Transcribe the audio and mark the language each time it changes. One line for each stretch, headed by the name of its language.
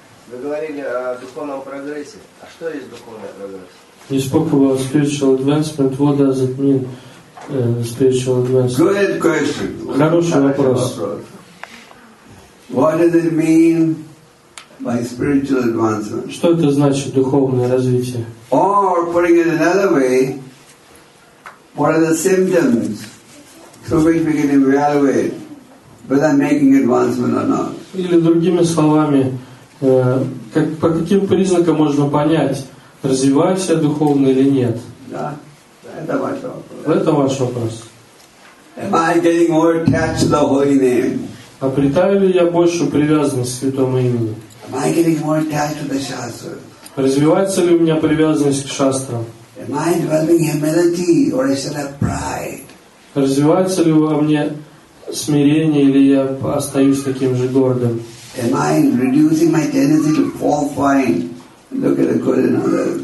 Russian: Вы говорили о духовном прогрессе. А что есть духовный прогресс?
English: You spoke about spiritual advancement. What does it mean, spiritual advancement? Good question.
Russian: Хороший вопрос.
English: What does it mean by spiritual advancement?
Russian: Что это значит, духовное развитие?
English: Or putting it another way, what are the symptoms through which we can evaluate whether I'm making advancement or not?
Russian: Или другими словами, по каким признакам можно понять, развиваешься духовно или нет? Да, это ваш вопрос. Это ваш вопрос.
English: Am I getting more attached to the holy name?
Russian: Обретаю ли я большую привязанность к святому имени?
English: Am I getting more attached to the shastras?
Russian: Развивается ли у меня привязанность к шастрам?
English: Am I developing humility or is it a pride?
Russian: Развивается ли во мне смирение или я остаюсь таким же гордым?
English: Am I reducing my tendency to fall fine? Look at the good in others.